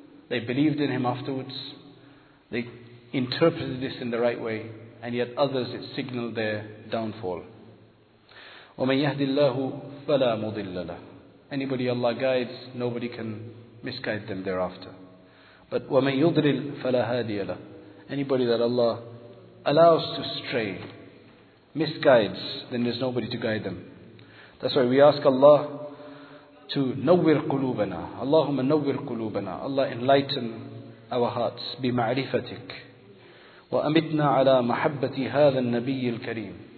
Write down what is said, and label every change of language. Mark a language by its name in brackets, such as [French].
[English] They believed in him afterwards. They interpreted this in the right way. And yet others, it signaled their downfall. [Arabic] وَمَنْ يَهْدِ اللَّهُ فَلَا مُضِلَّ لَهُ. [English] Anybody Allah guides, nobody can misguide them thereafter. But [Arabic] وَمَنْ يُضْلِلْ فَلَا هَادِيَ لَهُ. [English] Anybody that Allah allows to stray, misguides, then there's nobody to guide them. That's why we ask Allah to [Arabic] nawwir qulubana. Allahumma nawwir qulubana. [English] Allah, enlighten our hearts. [Arabic] بِمَعْرِفَتِكَ وَأَمِتْنَا عَلَى مَحَبَّةِ هَذَا النَّبِيِّ الْكَرِيمِ.